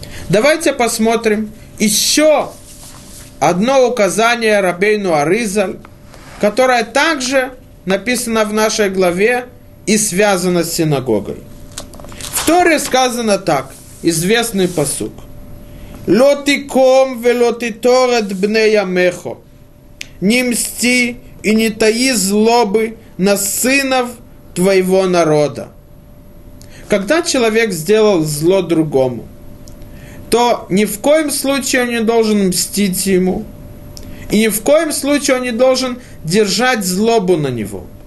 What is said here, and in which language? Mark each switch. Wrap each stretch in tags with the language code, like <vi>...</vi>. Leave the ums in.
<ru>Давайте посмотрим еще одно указание Рабейну Аризаль, которое также написано в нашей главе и связано с синагогой. В Торе сказано так, известный посук.</ru> <he>לא תיקום ולא תיטור את בני ימיך.</he> <ru>Не мсти и не таи злобы на сынов твоего народа. Когда человек сделал зло другому, то ни в коем случае он не должен мстить ему, и ни в коем случае он не должен держать злобу на него.</ru>